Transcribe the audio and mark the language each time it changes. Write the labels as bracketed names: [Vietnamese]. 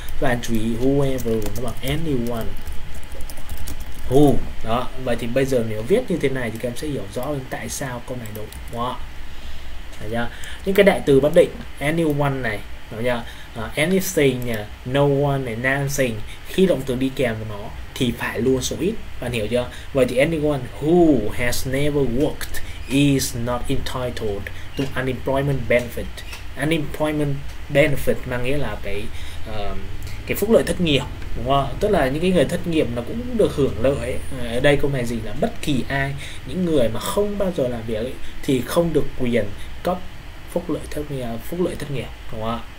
[Vietnamese] Và chú ý whoever nó bằng anyone, who đó. Vậy thì bây giờ nếu viết như thế này thì các em sẽ hiểu rõ hơn tại sao câu này đúng, đúng không? Đúng chưa? Những cái đại từ bất định anyone này, đúng chưa? Anything, no one, này, nothing, khi động từ đi kèm của nó thì phải luôn số ít, bạn hiểu chưa? [English] Vậy thì anyone who has never worked is not entitled to unemployment benefit. [Vietnamese] Unemployment benefit mang nghĩa là cái phúc lợi thất nghiệp, đúng không? Tức là những cái người thất nghiệp nó cũng được hưởng lợi ấy. Ở đây câu này gì, là bất kỳ ai, những người mà không bao giờ làm việc ấy, thì không được quyền cấp phúc lợi thất nghiệp, đúng không?